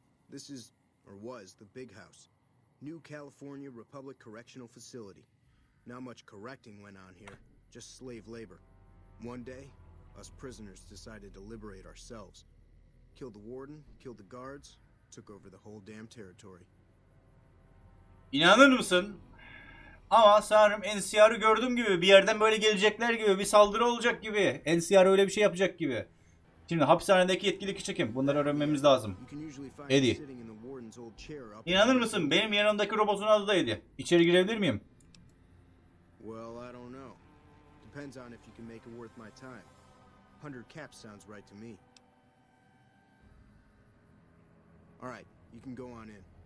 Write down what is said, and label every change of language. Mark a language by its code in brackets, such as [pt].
[en] This is or was the big house. New California Republic Correctional Facility. Not much correcting went on here, just slave labor. One day, us prisoners decided to liberate ourselves. Killed the warden, killed the guards, took over the whole damn territory. [tr] İnanır mısın? Ama sanırım NCR'ı gördüğüm gibi, bir yerden böyle gelecekler gibi, bir saldırı olacak gibi. NCR öyle bir şey yapacak gibi. Şimdi hapishanedeki yetkili kişi kim? Bunları öğrenmemiz lazım. Eddie. İnanır mısın? Benim yanımdaki robotun adı da Eddie. İçeri girebilir miyim? [en] Well, I don't know. Depends on if you can make it worth my time. 100 caps sounds right to me. All right, you can go on in.